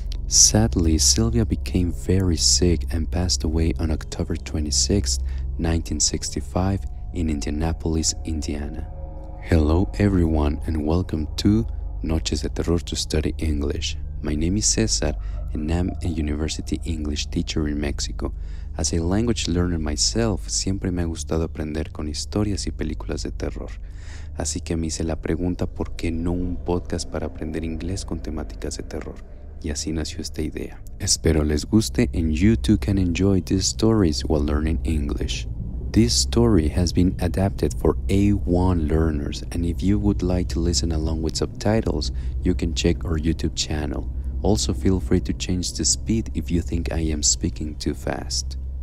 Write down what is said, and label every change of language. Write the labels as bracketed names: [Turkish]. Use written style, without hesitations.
[English] Sadly, Sylvia became very sick and passed away on October 26, 1965 in Indianapolis, Indiana. Hello everyone and welcome to Noches de Terror to Study English. My name is Cesar and I'm a university English teacher in Mexico. As a language learner myself, [Spanish] siempre me ha gustado aprender con historias y películas de terror. Así que me hice la pregunta por qué no un podcast para aprender inglés con temáticas de terror. Y así nació esta idea. Espero les guste [English] and you too can enjoy these stories while learning English. This story has been adapted for A1 learners, and if you would like to listen along with subtitles, you can check our YouTube channel. Also, feel free to change the speed if you think I am speaking too fast.